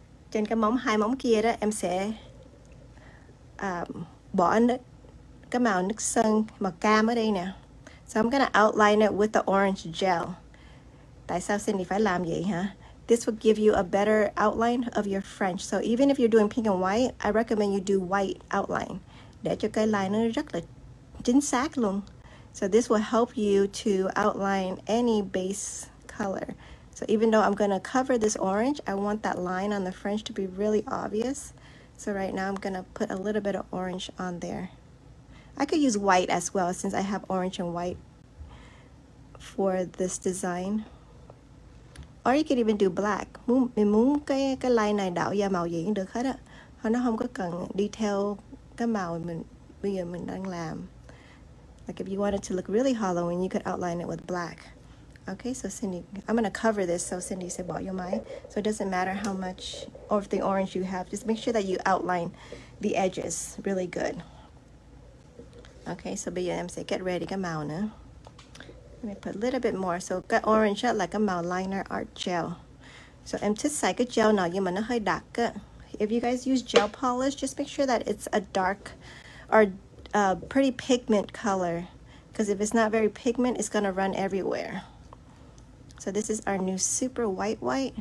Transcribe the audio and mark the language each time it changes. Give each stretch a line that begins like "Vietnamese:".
Vietnamese: trên cái móng, hai móng kia đó em sẽ bỏ nước, cái màu nước sơn màu cam ở đây nè.
English: So I'm gonna outline it with the orange gel.
Vietnamese: Tại sao Cindy phải làm vậy hả?
English: This will give you a better outline of your French. So even if you're doing pink and white, I recommend you do white outline.
Vietnamese: Để cho cái line nó rất là chính xác luôn.
English: So this will help you to outline any base color. So even though I'm gonna cover this orange, I want that line on the French to be really obvious. So right now I'm gonna put a little bit of orange on there. I could use white as well since I have orange and white for this design. Or you could even do black.
Vietnamese: Mình muốn cái line này đậu ra màu gì cũng được hết á. Nó không có cần detail cái màu mình bây giờ mình đang làm.
English: Like if you want it to look really hollow, and you could outline it with black. Okay, so Cindy, I'm gonna cover this. So Cindy said,
Vietnamese: "Bỏ vô máy."
English: So it doesn't matter how much of the orange you have. Just make sure that you outline the edges really good. Okay, so
Vietnamese: bây giờ em sẽ
English: get ready
Vietnamese: cái màu nữa.
English: Let me put a little bit more.
Vietnamese: So cái orange like a màu liner art gel. So em thích xài cái gel nào nhưng mà nó hơi đặc.
English: If you guys use gel polish, just make sure that it's a dark or a pretty pigment color, because if it's not very pigment, it's gonna run everywhere. So this is our new super white white.